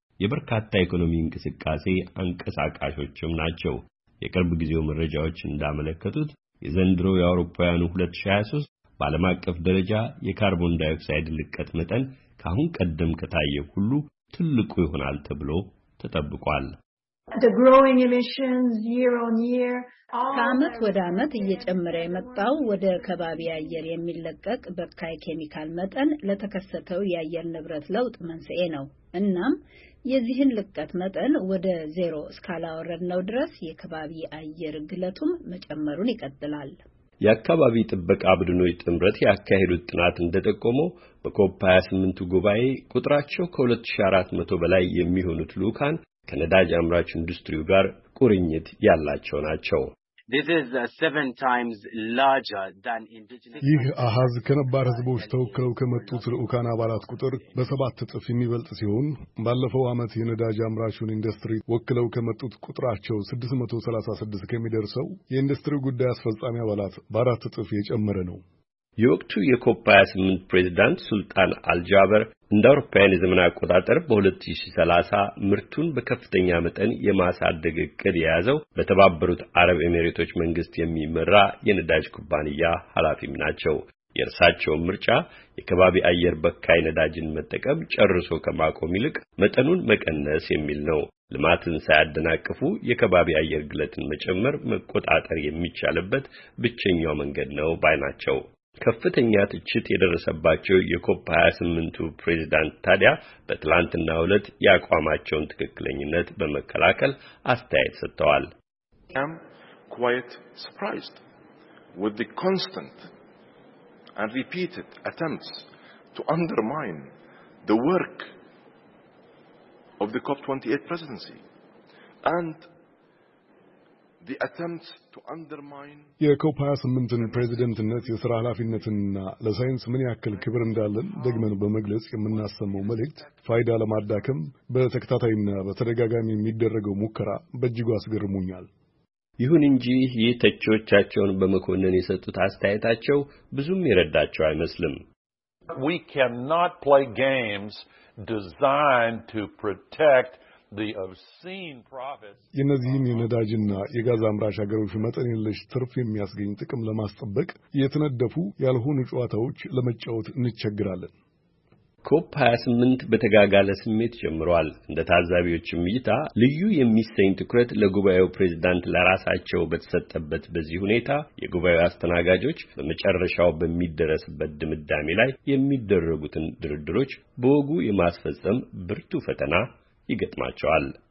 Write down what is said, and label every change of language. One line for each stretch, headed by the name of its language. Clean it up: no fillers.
Amharic: የበርካታ ኢኮኖሚ እንቅስቃሴ አንቀሳቃሾችም ናቸው። የቅርብ ጊዜው መረጃዎች እንዳመለከቱት የዘንድሮው የአውሮፓውያኑ 2023 በዓለም አቀፍ ደረጃ የካርቦን ዳይኦክሳይድ ልቀት መጠን ካሁን ቀደም ከታየው ሁሉ ትልቁ ይሆናል ተብሎ ተጠብቋል።
English: The growing emissions year on year
Amharic: ከአመት ወደ አመት እየጨመረ የመጣው ወደ ከባቢ አየር የሚለቀቅ በካይ ኬሚካል መጠን ለተከሰተው የአየር ንብረት ለውጥ መንስኤ ነው። እናም የዚህን ልቀት መጠን ወደ 0 እስካላወረድነው ድረስ የከባቢ አየር ግለቱም መጨመሩን ይቀጥላል። የአካባቢ ጥበቃ ቡድኖች ጥምረት ያካሄዱት ጥናት እንደጠቆመው በኮፕ28ቱ ጉባኤ ቁጥራቸው ከ2400 በላይ የሚሆኑት ልዑካን ከነዳጅ አምራች ኢንዱስትሪው ጋር ቁርኝት ያላቸው ናቸው።
English: This is 7 times larger than indigenous
Amharic: ይህ አሃዝ ከነባር ህዝቦች ተወክለው ከመጡት ልዑካን አባላት ቁጥር በሰባት እጥፍ የሚበልጥ ሲሆን ባለፈው አመት የነዳጅ አምራቹን ኢንዱስትሪ ወክለው ከመጡት ቁጥራቸው 636 ከሚደርሰው የኢንዱስትሪው ጉዳይ አስፈጻሚ አባላት በአራት እጥፍ የጨመረ ነው። የወቅቱ የኮፕ28 ፕሬዝዳንት ሱልጣን አልጃበር እንደ አውሮፓውያን የዘመን አቆጣጠር በ2030 ምርቱን በከፍተኛ መጠን የማሳደግ እቅድ የያዘው በተባበሩት አረብ ኤሚሬቶች መንግስት የሚመራ የነዳጅ ኩባንያ ኃላፊም ናቸው። የእርሳቸው ምርጫ የከባቢ አየር በካይ ነዳጅን መጠቀም ጨርሶ ከማቆም ይልቅ መጠኑን መቀነስ የሚል ነው። ልማትን ሳያደናቅፉ የከባቢ አየር ግለትን መጨመር መቆጣጠር የሚቻልበት ብቸኛው መንገድ ነው ባይ ናቸው። ከፍተኛ ትችት የደረሰባቸው የኮፕ28ቱ ፕሬዝዳንት ታዲያ በትላንትናው ዕለት ያቋማቸውን ትክክለኝነት በመከላከል አስተያየት ሰጥተዋል።
English: I am quite surprised with the constant and repeated attempts to undermine the work of the COP28 presidency and the attempts to undermine
Amharic: የኮፕ28ን ፕሬዝዳንትነት የሥራ ኃላፊነትና ለሳይንስ ምን ያክል ክብር እንዳለን ደግመን በመግለጽ የምናሰማው መልእክት ፋይዳ ለማዳከም በተከታታይና በተደጋጋሚ የሚደረገው ሙከራ በእጅጉ አስገርሞኛል። ይሁን እንጂ ይህ ተቾቻቸውን በመኮነን የሰጡት አስተያየታቸው ብዙም ይረዳቸው አይመስልም።
English: We cannot play games designed to protect the obscene profits
Amharic: የነዚህን የነዳጅና የጋዝ አምራች ሀገሮች መጠን የለሽ ትርፍ የሚያስገኝ ጥቅም ለማስጠበቅ የተነደፉ ያልሆኑ ጨዋታዎች ለመጫወት እንቸግራለን። ኮፕ28 በተጋጋለ ስሜት ጀምሯል። እንደ ታዛቢዎችም ይታ ልዩ የሚሰኝ ትኩረት ለጉባኤው ፕሬዝዳንት ለራሳቸው በተሰጠበት በዚህ ሁኔታ የጉባኤው አስተናጋጆች በመጨረሻው በሚደረስበት ድምዳሜ ላይ የሚደረጉትን ድርድሮች በወጉ የማስፈጸም ብርቱ ፈተና ይገጥማቸዋል።